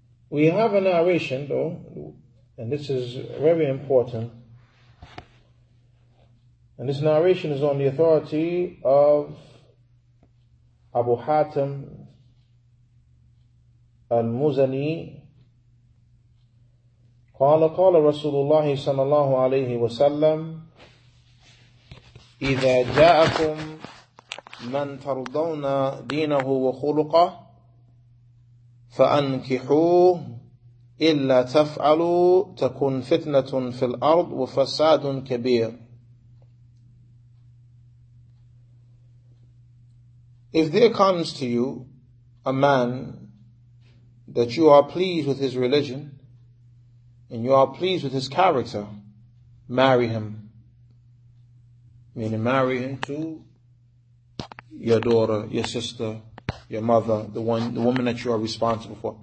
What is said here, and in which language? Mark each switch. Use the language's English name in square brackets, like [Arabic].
[English] We have a narration though, and this is very important. And this narration is on the authority of Abu Hatim al-Muzani. [Arabic] Qala Rasulullah sallallahu alayhi wa sallam, إذا جاءكم من ترضون دينه وخلقه فأنكحوه إلا تفعلوا تكون فتنة في الأرض وفساد كبير. [English] If there comes to you a man that you are pleased with his religion and you are pleased with his character, marry him. Meaning marry him to your daughter, your sister, your mother, the woman that you are responsible for.